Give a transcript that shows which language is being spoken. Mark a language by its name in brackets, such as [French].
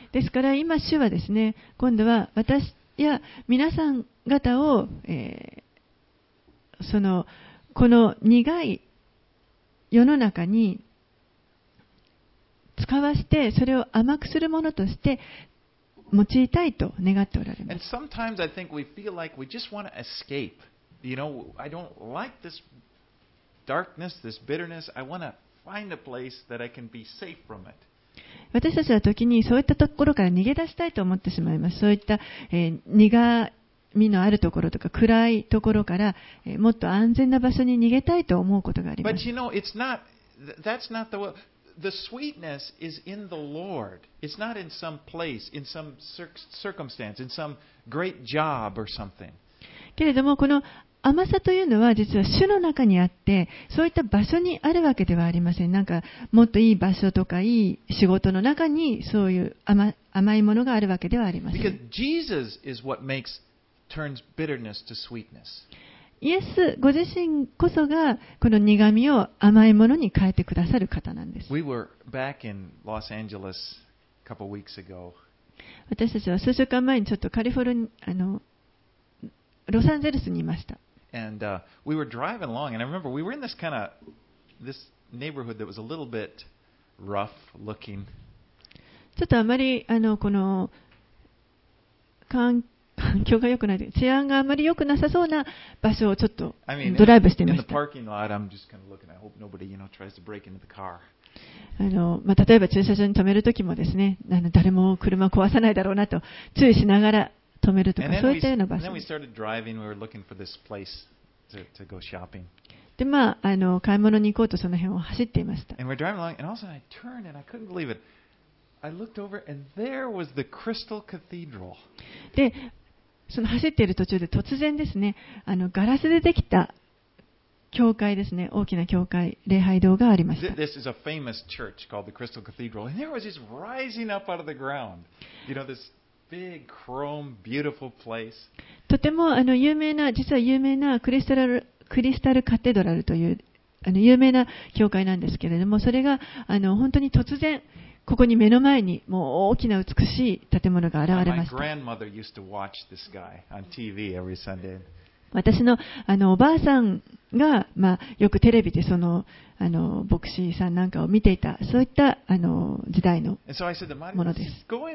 [Japanese] から今主はですね、今度は私や皆さん方を、そのこの苦い世の中に使わせて、それを甘くするものとして用いたいと願っておられます。 [English] And sometimes I think we feel like we just want to escape. You know, I don't like this darkness, this bitterness. I want to find a place that I can be safe from it. [Japanese] 私たちは時にそういったところから逃げ出したいと思ってしまいます。そういった、苦みのあるところとか暗いところから、もっと安全な場所に逃げたいと思うことがあります。 [English] But you know, it's not, that's not the word. The sweetness is in the Lord. It's not in some place, in some circumstance, in some great job or something. [Japanese] けれどもこの甘さというのは実は主の中にあって、そういった場所にあるわけではありません。なんかもっといい場所とかいい仕事の中にそういう 甘いものがあるわけではありません。 [English] Because Jesus is what makes, turns bitterness to sweetness. [Japanese] イエスご自身こそがこの苦みを甘いものに変えてくださる方なんです。 [English] We were back in Los Angeles a couple weeks ago. [Japanese] 私たちは数週間前にちょっとカリフォルニア、ロサンゼルスにいました。 [English] And, we were driving along, and I remember we were in this kind of this neighborhood that was a little bit rough looking. [Japanese] ちょっとあまりこの環境が良くない、治安があまり良くなさそうな場所をちょっとドライブしてみました。 [English] In the parking lot, I'm just kind of looking. I hope nobody, you know, tries to break into the car. [Japanese] 例えば駐車場に停めるときもですね、誰も車を壊さないだろうなと注意しながら。止めるとかそういったような場所。 [English] And then we started driving. We were looking for this place to go shopping. [Japanese] で、まあ買い物に行こうとその辺を走っていました。 [English] And we're driving along, and all of a sudden I turned and I couldn't believe it. I looked over and there was the Crystal Cathedral. [Japanese] で、その走っている途中で突然ですね、ガラスでできた教会ですね、大きな教会、礼拝堂がありました。 [English] This is a famous church called the Crystal Cathedral, and there was this rising up out of the ground. You know this. Big, chrome, beautiful place. [Japanese] とても有名な、実は有名なクリスタルカテドラルという有名な教会なんですけれども、それが本当に突然ここに目の前にもう大きな美しい建物が現れました。 [English] My grandmother used to watch this guy on TV every Sunday. [Japanese] 私のおばあさんが、まあ、よくテレビでその牧師さんなんかを見ていた、そういった時代のものです。